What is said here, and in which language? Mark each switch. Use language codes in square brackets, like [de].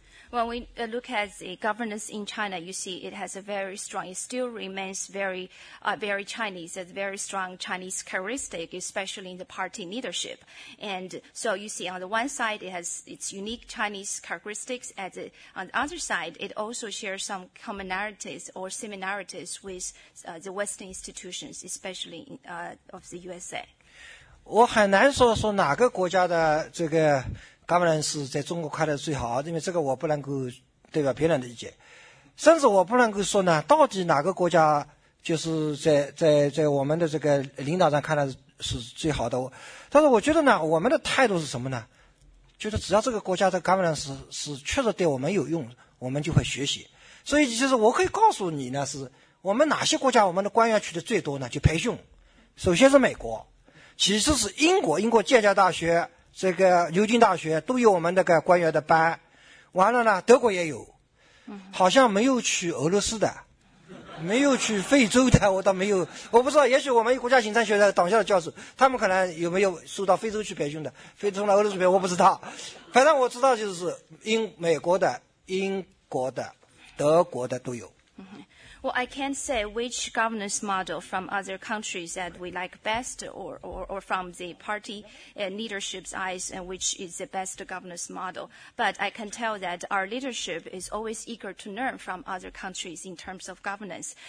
[en] When we look at the governance in China, you see it has a very strong, it still remains very very Chinese, a very strong Chinese characteristic, especially in the party leadership. And so you see on the one side, it has its unique Chinese characteristics. On the other side, it also shares some commonalities or similarities with the Western institutions, especially of the USA. [zh] 我很难说说哪个国家的这个 governance 在中国开的最好，因为这个我不能够代表别人的意见，甚至我不能够说呢到底哪个国家就是在我们的这个领导上看来是最好的。但是我觉得呢，我们的态度是什么呢？就是只要这个国家的 governance 是确实对我们有用，我们就会学习。所以就是我可以告诉你呢，是我们哪些国家我们的官员去的最多呢？就培训，首先是美国，其次是英国，英国剑桥大学、这个牛津大学都有我们那个官员的班。完了呢，德国也有，好像没有去俄罗斯的，没有去非洲的，我倒没有，我不知道，也许我们国家行政学院党校的教授，他们可能有没有送到非洲去培训的，非洲到俄罗斯培训，我不知道。反正我知道就是美国的、英国的、德国的都有。 [en] Well, I can't say which governance model from other countries that we like best or from the party leadership's eyes and which is the best governance model. But I can tell that our leadership is always eager to learn from other countries in terms of governance.